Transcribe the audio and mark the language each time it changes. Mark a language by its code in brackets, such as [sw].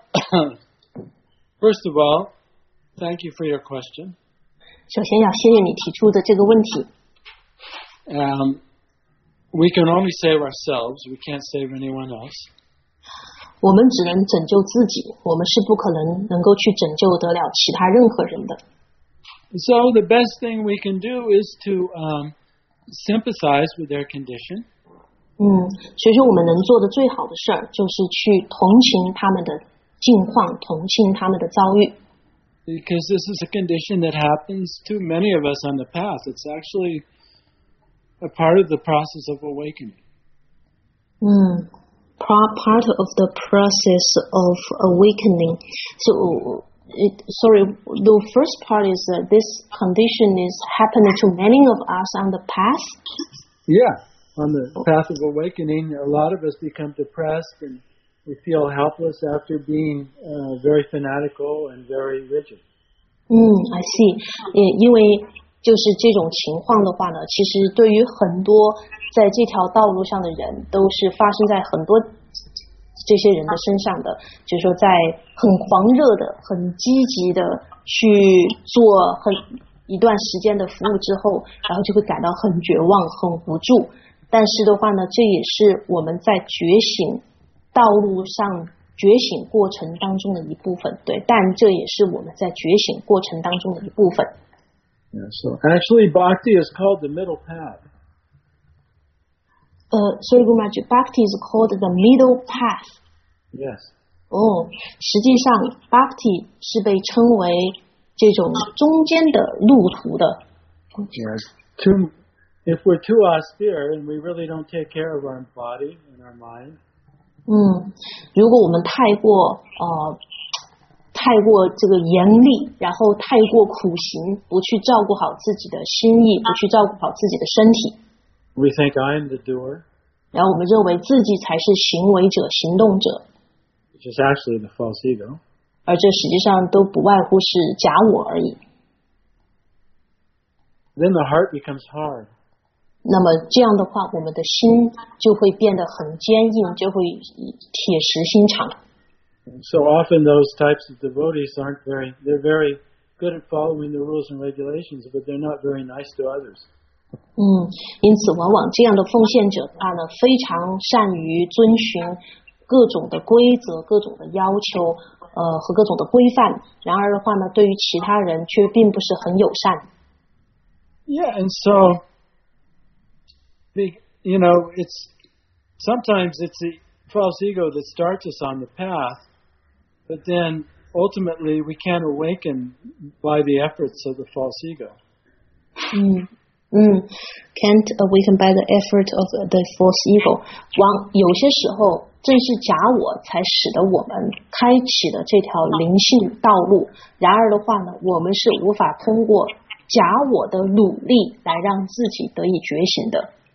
[en] First of all, thank you for your question. [zh] 首先要谢谢你提出的这个问题。 [en] We can only save ourselves, we can't save anyone else. [zh] 我们只能拯救自己，我们是不可能能够去拯救得了其他任何人的。 [en] So the best thing we can do is to sympathize with their condition. [zh] 所以说我们能做的最好的事儿就是去同情他们的境况，同情他们的遭遇。 [en] Because this is a condition that happens to many of us on the path. It's actually a part of the process of awakening. Part of the process of awakening. So The first part is that this condition is happening to many of us on the path. Yeah, on the path of awakening, a lot of us become depressed and we feel helpless after being very fanatical and very rigid. I see. [zh] 因为就是这种情况的话呢，其实对于很多在这条道路上的人，都是发生在很多这些人的身上的，就是说在很狂热的、很积极的去做很一段时间的服务之后，然后就会感到很绝望、很无助。但是的话呢，这也是我们在觉醒道路上觉醒过程当中的一部分，对。但这也是我们在觉醒过程当中的一部分。 [en] Yeah, so actually, bhakti is called the middle path. Sorry, Guru Maharaj, bhakti is called the middle path. Yes. [zh] 实际上 bhakti 是被称为这种中间的路途的。 [en] Yes. Too, if we're too austere and we really don't take care of our body and our mind. [zh] 如果我们太过这个严厉，然后太过苦行，不去照顾好自己的心意，不去照顾好自己的身体。 [en] We think I am the doer. [zh] 然后我们认为自己才是行为者、行动者。 [en] Which is actually the false ego. [zh] 而这实际上都不外乎是假我而已。 [en] Then the heart becomes hard. [zh] 那么这样的话，我们的心就会变得很坚硬，就会铁石心肠。 [en] So often those types of devotees aren't very, they're very good at following the rules and regulations, but they're not very nice to others. [zh] 因此往往这样的奉献者的话呢，非常善于遵循各种的规则、各种的要求，和各种的规范。然而的话呢，对于其他人却并不是很友善。 [en] Yeah, and so, you know, it's, sometimes it's the false ego that starts us on the path,But then, ultimately, we can't awaken by the efforts of the false ego. Can't awaken by the effort of the false ego. [zh] 有些时候，正是假我才使得我们开启了这条灵性道路。然而的话呢，我们是无法通过假我的努力来让自己得以觉醒的。